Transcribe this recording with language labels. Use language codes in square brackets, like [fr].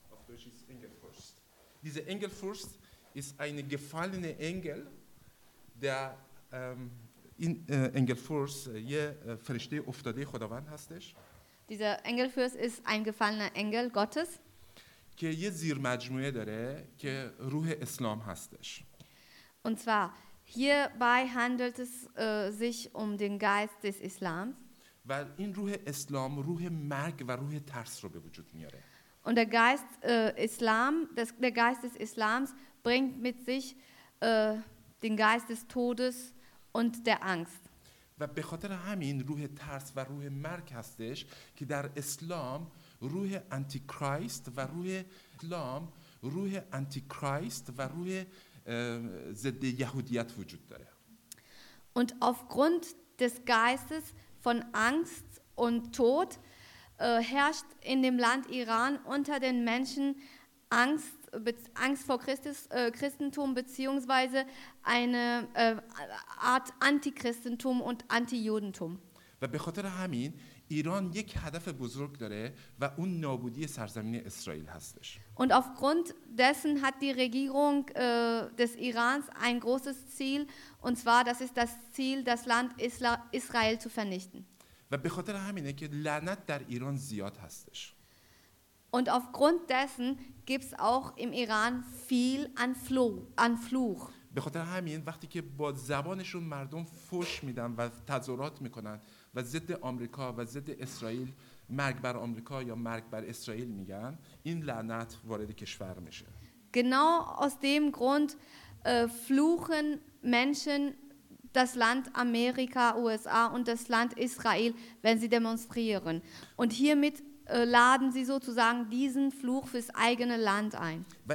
[de] Auf Deutsch ist Engelfürst. Dieser Engelfürst ist ein gefallener Engel, der in Engelfürst verstehe, auf der Dich oder wann hast du es? Dieser Engelfürst ist ein gefallener Engel Gottes. [fa] که یه زیر مجموعه داره که روح اسلام هستش. [de] Und zwar hierbei handelt es sich um den Geist des Islam. [fa] و این روح اسلام روح مرگ و روح ترس رو به وجود میاره. [de] Und der Geist Islam, der Geist des Islams bringt mit sich den Geist des Todes und der Angst. [fa] و به خاطر همین روح ترس و روح مرگ هستش که در اسلام روح آنتی‌کریست و روح اسلام روح آنتی‌کریست و روح ضد یهودیت وجود داره. [de] Und aufgrund des Geistes von Angst und Tod herrscht in dem Land Iran unter den Menschen Angst, Angst vor Christus, Christentum beziehungsweise eine Art Antichristentum und Antijudentum. [fa] و به خاطر همین ایران یک هدف بزرگ داره و اون نابودی سرزمین اسرائیل هستش. [de] Und aufgrund dessen hat die Regierung des Irans ein großes Ziel und zwar das ist das Ziel das Land Israel zu vernichten. [fa] و به خاطر همینه که لعنت در ایران زیاد هستش. [de] Und aufgrund dessen gibt's auch im Iran viel an Fluch. [fa] به خاطر همین وقتی که با زبانشون مردم فحش میدن و تظاهرات میکنن و ضد آمریکا و ضد اسرائیل مرگ بر آمریکا یا مرگ بر اسرائیل میگن این لعنت وارد کشور میشه. [de] Genau aus dem Grund fluchen Menschen das Land Amerika, USA und das Land Israel, wenn sie demonstrieren. Und hiermit laden sie sozusagen diesen Fluch fürs eigene Land ein.